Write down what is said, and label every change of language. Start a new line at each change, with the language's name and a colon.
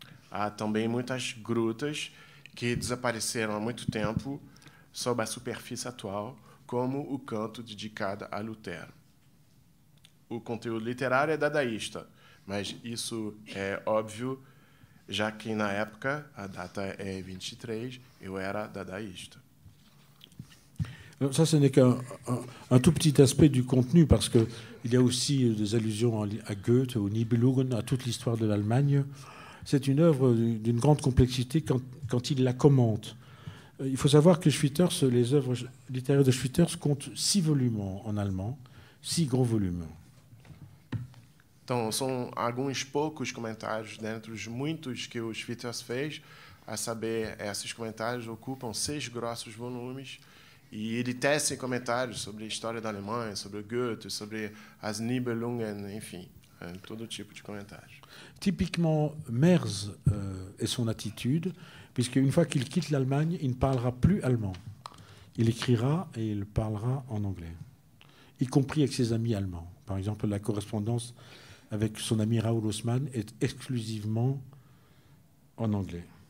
Portuguese: Há também muitas grutas que desapareceram há muito tempo sob a superfície atual, como o canto dedicado a Lutero. O conteúdo literário é dadaísta, mas isso é óbvio, já que na época, a data é 23, eu era dadaísta.
French: Ça, ce n'est qu'un tout petit aspect du contenu, parce qu'il y a aussi des allusions à Goethe, au Nibelungen, à toute l'histoire de l'Allemagne. C'est une œuvre d'une grande complexité quand il la commente. Il faut savoir que Schwitters, les œuvres littéraires de Schwitters comptent 6 volumes en allemand, 6 gros volumes.
Portuguese: Então, são alguns poucos comentários dentre os muitos que o Schwitters fez, a saber, esses comentários ocupam 6 grossos volumes e ele tece comentários sobre a história da Alemanha, sobre o Goethe, sobre as Nibelungen, enfim, todo tipo de comentários.
French: Typiquement, Merz et son attitude, puisque une fois qu'il quitte l'Allemagne, il ne parlera plus allemand. Il écrira et il parlera en anglais, y compris avec ses amis allemands. Par exemple, la correspondance avec son ami Raoul Haussmann est exclusivement en anglais.